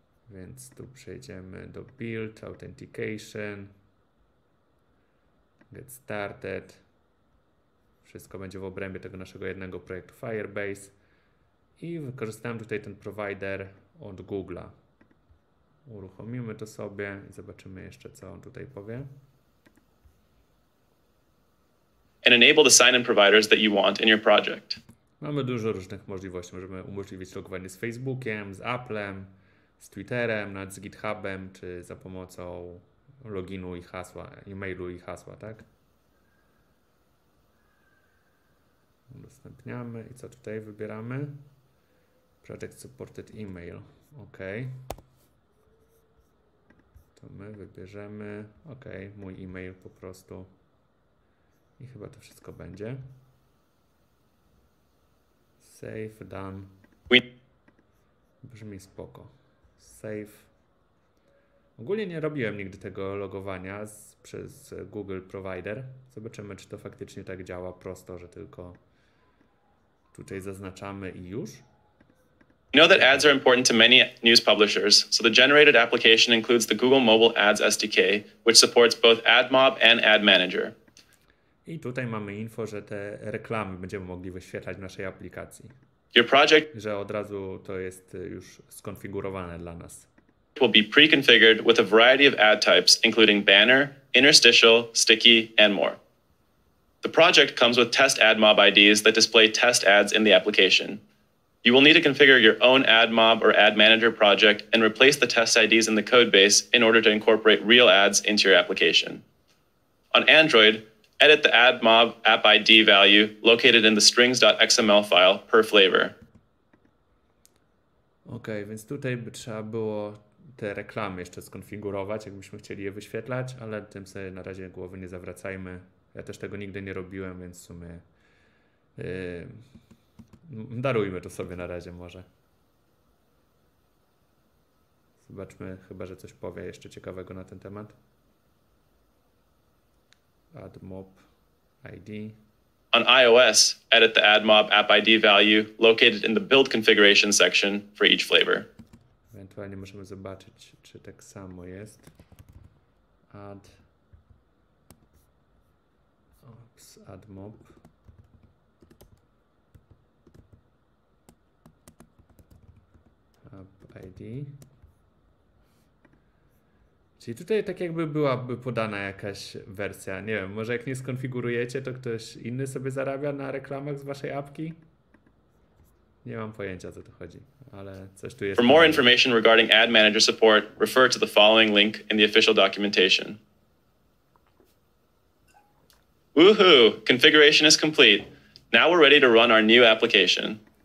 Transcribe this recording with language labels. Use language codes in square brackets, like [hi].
[pl] Więc tu przejdziemy do Build, Authentication, Get Started. Wszystko będzie w obrębie tego naszego jednego projektu Firebase. I wykorzystałem tutaj ten provider od Google'a. Uruchomimy to sobie i zobaczymy jeszcze, co on tutaj powie. [en] And enable the sign-in providers that you want in your project. [pl] Mamy dużo różnych możliwości. Możemy umożliwić logowanie z Facebookiem, z Applem, z Twitterem, nawet z GitHubem, czy za pomocą loginu i hasła, e-mailu i hasła, tak? Udostępniamy i co tutaj wybieramy? [en] Project Supported Email. OK. [pl] To my wybierzemy. OK, mój e-mail po prostu. I chyba to wszystko będzie. [en] Save, done. [pl] Brzmi spoko. Save. Ogólnie nie robiłem nigdy tego logowania przez Google Provider. Zobaczymy, czy to faktycznie tak działa prosto, że tylko tutaj zaznaczamy i już. [en] You know that ads are important to many news publishers, so the generated application includes the Google Mobile Ads SDK, which supports both AdMob and Ad Manager. [pl] I tutaj mamy info, że te reklamy będziemy mogli wyświetlać w naszej aplikacji. [en] Your project, [pl] że od razu to jest już skonfigurowane dla nas. [en] Will be pre-configured with a variety of ad types, including banner, interstitial, sticky, and more. The project comes with test ad mob IDs that display test ads in the application. You will need to configure your own ad mob or ad manager project and replace the test IDs in the code base in order to incorporate real ads into your application. On Android, edit the ad mob app ID value located in the strings.xml file per flavor. [pl] Okay, więc tutaj by trzeba było te reklamy jeszcze skonfigurować, jakbyśmy chcieli je wyświetlać, ale tym sobie na razie głowy nie zawracajmy. Ja też tego nigdy nie robiłem, więc w sumie darujmy to sobie na razie może. Zobaczmy, chyba że coś powie jeszcze ciekawego na ten temat. [en] AdMob ID. On iOS, edit the AdMob app ID value located in the build configuration section for each flavor. [pl] Ewentualnie możemy zobaczyć, czy tak samo jest. Ad. Ops, AdMob. [en] App ID. [pl] Czyli tutaj tak jakby byłaby podana jakaś wersja. Nie wiem, może jak nie skonfigurujecie, to ktoś inny sobie zarabia na reklamach z waszej apki? Nie mam pojęcia, co tu chodzi, ale coś tu jest. [en] For more information regarding Ad Manager support, refer to the following link in the official documentation. Woohoo! Configuration is complete. Now we're ready to run our new application.